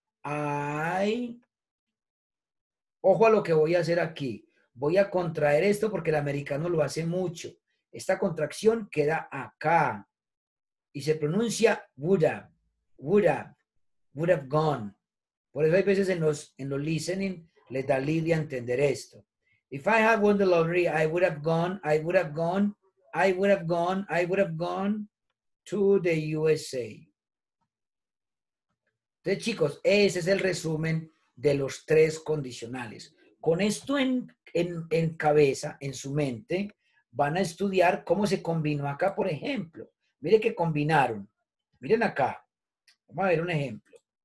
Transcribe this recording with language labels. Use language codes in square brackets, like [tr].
[es] Ay. Ojo a lo que voy a hacer aquí. Voy a contraer esto porque el americano lo hace mucho. Esta contracción queda acá. Y se pronuncia would have. Would have. [en] Would have gone. [es] Por eso hay veces en los listening les da lidia entender esto. [en] If I had won the lottery, I would have gone, I would have gone, I would have gone, I would have gone to the USA. [es] Entonces, chicos, ese es el resumen de los tres condicionales. Con esto en cabeza, en su mente, van a estudiar cómo se combinó acá, por ejemplo. Mire que combinaron. Miren acá. Vamos a ver un ejemplo.